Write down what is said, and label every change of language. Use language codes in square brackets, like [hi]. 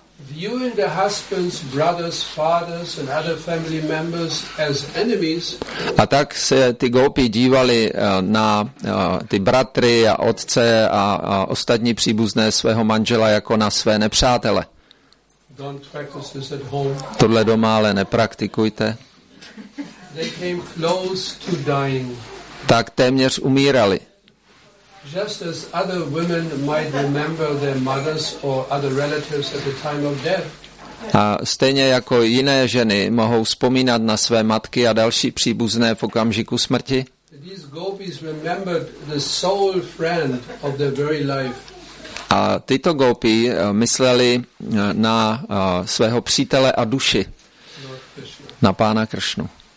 [en] Viewing the husbands, brothers, fathers and other family members as enemies. [cs] A tak se ty gopi dívali na ty bratry a otce a ostatní příbuzné svého manžela jako na své nepřátele. [en] Don't practice this at home. [cs] Tohle doma ale nepraktikujte. [en] They came close to dying. [cs] Tak téměř umírali. [en] Just as other women might remember their mothers or other relatives at the time of death. [cs] A stejně jako jiné ženy mohou vzpomínat na své matky a další příbuzné v okamžiku smrti. [en] These gopis remembered the sole friend of their very life. [cs] A tyto gopi mysleli na svého přítele a duši, na pána Kršnu.